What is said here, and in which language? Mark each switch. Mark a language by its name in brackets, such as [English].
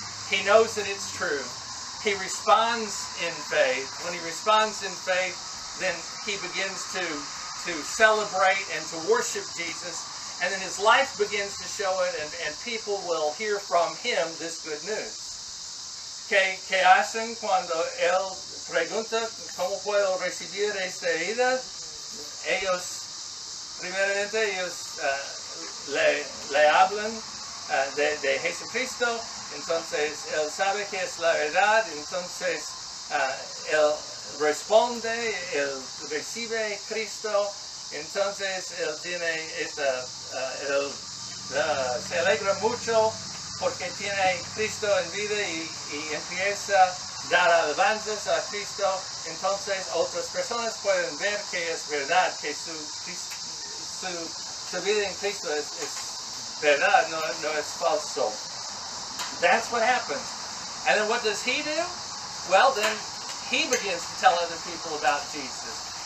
[English] He knows that it's true. He responds in faith. When he responds in faith, then he begins to celebrate and to worship Jesus. And then his life begins to show it, and people will hear from him this good news. [Spanish] ¿Qué hacen cuando él pregunta cómo puedo recibir esta vida? Ellos, primeramente, ellos... Le hablan de Jesucristo, entonces él sabe que es la verdad, entonces él responde, él recibe Cristo, entonces él tiene esta, se alegra mucho porque tiene Cristo en vida y empieza a dar alabanzas a Cristo, entonces otras personas pueden ver que es verdad, que su vida en Cristo es verdad, no es falso. [English] That's what happens. And then what does he do? Well, then he begins to tell other people about Jesus.